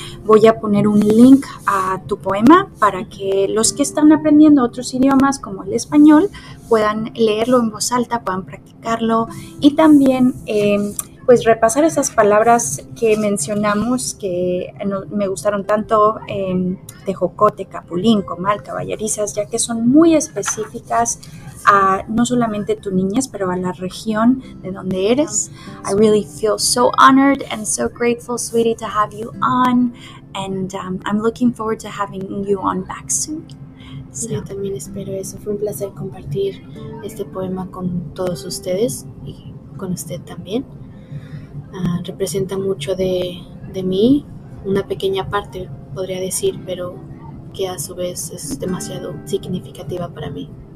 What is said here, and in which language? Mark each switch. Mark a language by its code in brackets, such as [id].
[es] Voy a poner un link a tu poema para que los que están aprendiendo otros idiomas como el español puedan leerlo en voz alta, puedan practicarlo y también pues repasar esas palabras que mencionamos que me gustaron tanto, tejocote, capulín, comal, caballerizas, ya que son muy específicas a no solamente tu niñez, pero a la región de donde eres. [en] I really feel so honored and so grateful, sweetie, to have you on. And I'm looking forward to having you on back soon. So. [es] Yo también espero eso. Fue un placer compartir este poema con todos ustedes y con usted también. Representa mucho de mí, una pequeña parte, podría decir, pero que a su vez es demasiado significativa para mí.